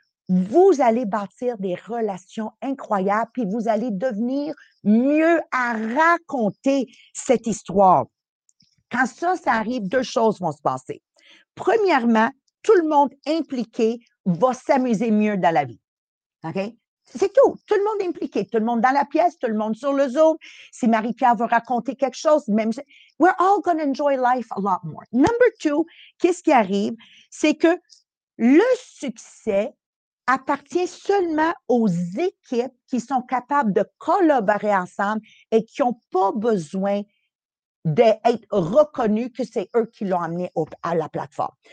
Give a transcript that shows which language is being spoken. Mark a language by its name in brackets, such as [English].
[French] Vous allez bâtir des relations incroyables, puis vous allez devenir mieux à raconter cette histoire. Quand ça arrive, deux choses vont se passer. Premièrement, tout le monde impliqué va s'amuser mieux dans la vie. OK? C'est tout. Tout le monde est impliqué. Tout le monde dans la pièce, tout le monde sur le Zoom. Si Marie-Pierre veut raconter quelque chose, même si... [English] We're all going to enjoy life a lot more. Number two, [French] qu'est-ce qui arrive? C'est que le succès appartient seulement aux équipes qui sont capables de collaborer ensemble et qui n'ont pas besoin d'être reconnus que c'est eux qui l'ont amené à la plateforme.